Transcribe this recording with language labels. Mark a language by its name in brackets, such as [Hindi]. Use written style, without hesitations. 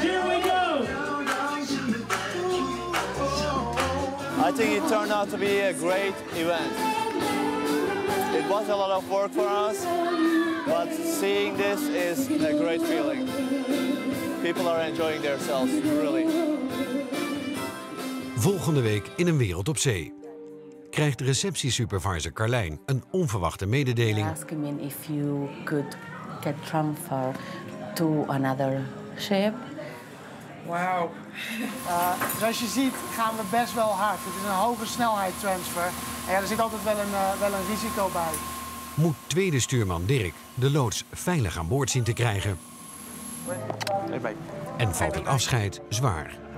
[English] Here we go. I think it turned out to be a great event. It was a lot of work for us, but seeing this is a great feeling. People are enjoying themselves, really. [Dutch] Volgende week in een wereld op zee. Krijgt receptiesupervisor Carlijn een onverwachte mededeling. [English] Ask him if you could get transfer to another ship. Wow. [Dutch] Zoals je ziet gaan we best wel hard. Het is een hoge snelheid transfer. En ja, er zit altijd wel een risico bij. Moet tweede stuurman Dirk de loods veilig aan boord zien te krijgen. [English] Hey, [Dutch] en valt het afscheid zwaar.